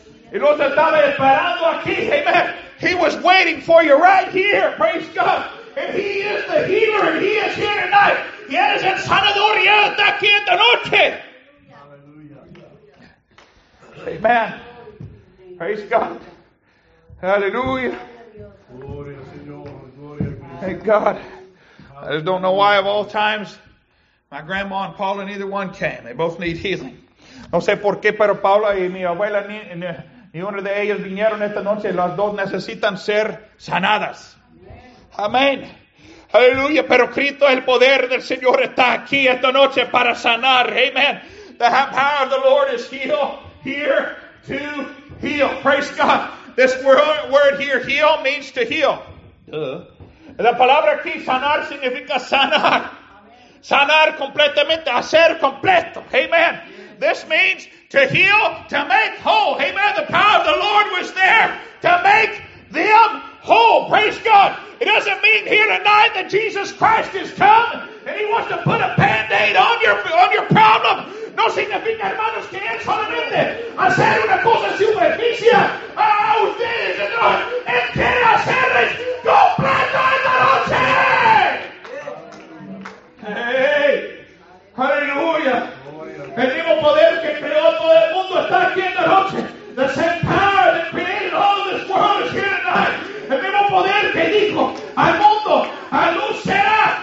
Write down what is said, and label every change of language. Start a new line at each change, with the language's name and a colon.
Spanish: Y los estaba esperando aquí,
English: amen. He was waiting for you right here, praise God. And he is the healer, and he is here tonight.
Spanish: Y él es el sanador, y él está aquí esta noche.
English: Hallelujah. Amen. Praise God. Hallelujah.
Spanish: Gloria, Señor. Gloria, Cristo.
English: Thank God. I just don't know why of all times my grandma and Paula, neither one came. They both need healing.
Spanish: No sé por qué, pero Paula y mi abuela ni una de ellas vinieron esta noche. Las dos necesitan ser sanadas. Amén. Aleluya, pero Cristo, el poder del Señor está aquí esta noche para sanar.
English: Amen. The power of the Lord is heal, here to heal. Praise God. This word here, heal, means to heal.
Spanish: La palabra aquí, sanar, significa sanar. Sanar completamente, hacer completo. Amen.
English: This means to heal, to make whole. Amen. The power of the Lord was there to make them whole. Praise God. It doesn't mean here tonight that Jesus Christ is come and he wants to put a band-aid on your problem.
Spanish: No significa, hermanos, que él solamente hacer una cosa superficie a ustedes. No, él quiere hacerles completo esta noche. Hey, aleluya. El mismo poder que creó todo el mundo está aquí en la noche.
English: The same power that created all of this world is here tonight.
Spanish: El mismo poder que dijo al mundo, a luz será.